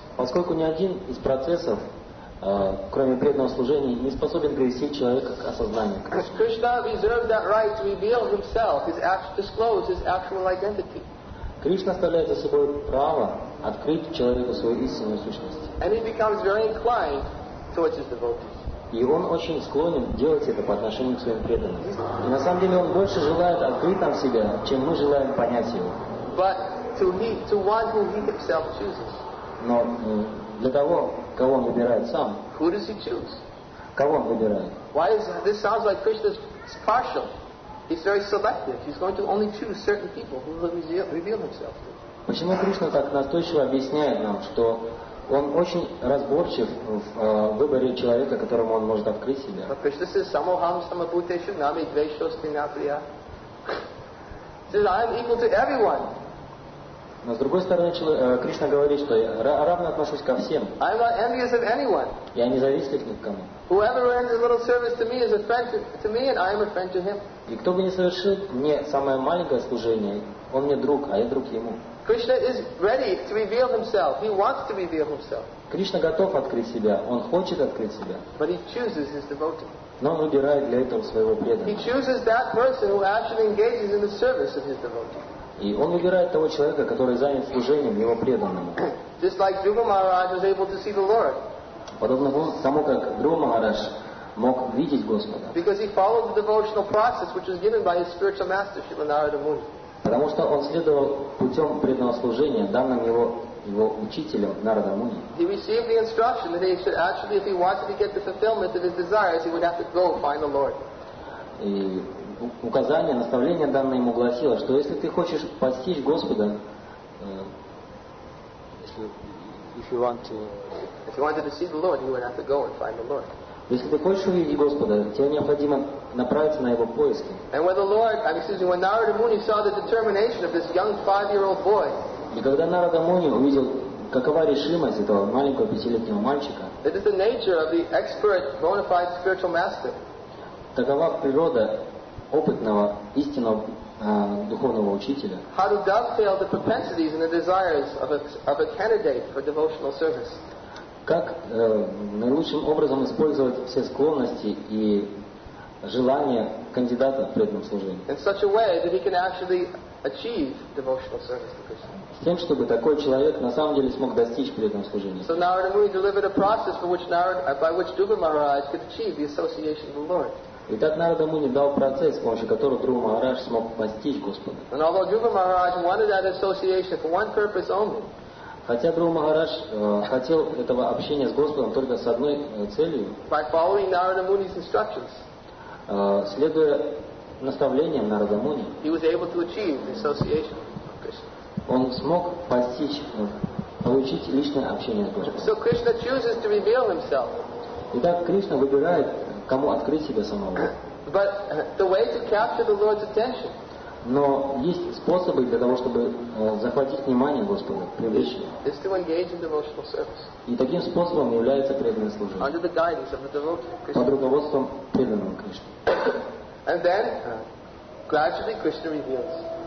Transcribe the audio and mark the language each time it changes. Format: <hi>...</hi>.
<ru>Поскольку ни один из процессов, кроме преданного служения, не способен привести человека к осознанию Кришны.</ru> <en>Krishna reserved that right to reveal himself, disclose his actual identity.</en> <ru>Кришна оставляет за собой право открыть человеку свою истинную сущность.</ru> <en>And he becomes very inclined towards his devotees.</en> <ru>И он очень склонен делать это по отношению к своим преданным. И на самом деле он больше желает открыть нам себя, чем мы желаем понять его.</ru> <en>But to one who he himself chooses.</en> <ru>Но для того, кого он выбирает сам.</ru> <en>Who does he choose?</en> <ru>Кого он выбирает?</ru> <en>Why is this sounds like Krishna's partial? He's very selective. He's going to only choose certain people who will reveal himself to.</en> <ru>Почему Кришна так настойчиво объясняет нам, что он очень разборчив в выборе человека, которому он может открыть себя?</ru> <en>But Krishna says,</en> <sa>Samoham Samabhutesha Nami Dveshostinapriya.</sa> <en>He says, I am equal to everyone.</en> <ru>Но с другой стороны, Кришна говорит, что я равно отношусь ко всем.</ru> <en>I'm not envious of anyone.</en> <ru>Я не завистлив ни к кому.</ru> <en>Whoever renders a little service to me is a friend to me, and I am a friend to him.</en> <ru>И кто бы не совершил мне самое маленькое служение, он мне друг, а я друг ему.</ru> <en>Krishna is ready to reveal himself. He wants to reveal himself.</en> <ru>Кришна готов открыть себя. Он хочет открыть себя.</ru> <en>But he chooses his devotee.</en> <ru>Но он выбирает для этого своего преданного.</ru> <en>He chooses that person who actually engages in the service of his devotee.</en> <ru>И он выбирает того человека, который занят служением его преданному.</ru> <en>Just like Dhruva Maharaj was able to see the Lord.</en> <ru>Подобно тому, как Дхрува Махарадж мог видеть Господа.</ru> <en>Because he followed the devotional process, which was given by his spiritual master, Śrīla Nārada Muni.</en> <ru>Потому что он следовал путем преданного служения, данным его учителем Нарада Муни.</ru> <en>He received the instruction that he should actually, if he wanted to get the fulfillment of his desires, he would have to go find the Lord.</en> <ru>И указание, наставление данное ему гласило, что если ты хочешь постичь Господа, если ты хочешь увидеть Господа, тебе необходимо направиться на его поиски.</ru> <en>And when the Lord, excuse me, when Narada Muni saw the determination of this young 5-year-old boy,</en> <ru>и когда Нарада Муни увидел, какова решимость этого маленького 5-летнего мальчика,</ru> <en>it is the nature of the expert, bona fide spiritual master.</en> <ru>Такова природа опытного, истинного духовного учителя.</ru> <en>How to dovetail the propensities and the desires of a candidate for devotional service.</en> <ru>Как наилучшим образом использовать все склонности и желания кандидата в преданном служении.</ru> <en>In such a way that he can actually achieve devotional service to Krishna.</en> <ru>С тем, чтобы такой человек на самом деле смог достичь преданного служения.</ru> <en>So Narada Muni delivered a process by which Dhruva Maharaj could achieve the association of the Lord.</en> <ru>И так Нарада Муни дал процесс, с помощью которого Дхрува Махарадж смог постичь Господа.</ru> <en>And although Dhruva Maharaj wanted that association for one purpose only,</en> <ru>хотя Дхрува Махарадж хотел этого общения с Господом только с одной целью,</ru> <en>by following Narada Muni's instructions,</en> <ru>следуя наставлениям Нарада Муни,</ru> <en>he was able to achieve the association of Krishna.</en> <ru>Он смог постичь, получить личное общение с Господом.</ru> <en>So Krishna chooses to reveal himself.</en> <ru>Итак, Кришна выбирает, кому открыть себя самого.</ru> <en>But the way to capture the Lord's attention.</en> <ru>Но есть способы для того, чтобы захватить внимание Господа, привлечь его.</ru> <en>Is to engage in devotional service.</en> <ru>И таким способом является преданное служение.</ru> <en>Under the guidance of the devotee, Krishna.</en> <ru>Под руководством преданного Кришны.</ru> <en>And then, gradually Krishna reveals.</en>